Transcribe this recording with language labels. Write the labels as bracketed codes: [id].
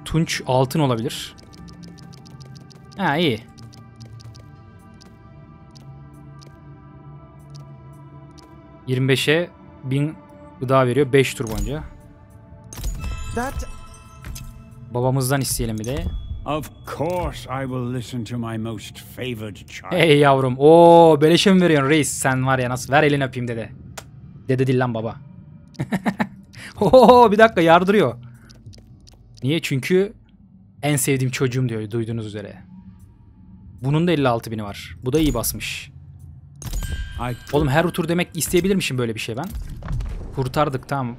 [tr] Tunç altın olabilir. Ha, iyi. ...25'e 1000 gıda veriyor 5 tur boyunca. Babamızdan isteyelim bir de. [en] Of course I will listen to my most favored child. [tr] Hey yavrum. Oo, beleşe mi veriyorsun reis? Sen var ya, nasıl? Ver elini öpeyim dede. Dede değil lan, baba. Oo, bir dakika, yardırıyor. Niye? Çünkü en sevdiğim çocuğum diyor, duyduğunuz üzere. Bunun da 56.000'i var. Bu da iyi basmış. Oğlum, her tur demek isteyebilir miyim böyle bir şey ben? Kurtardık, tamam.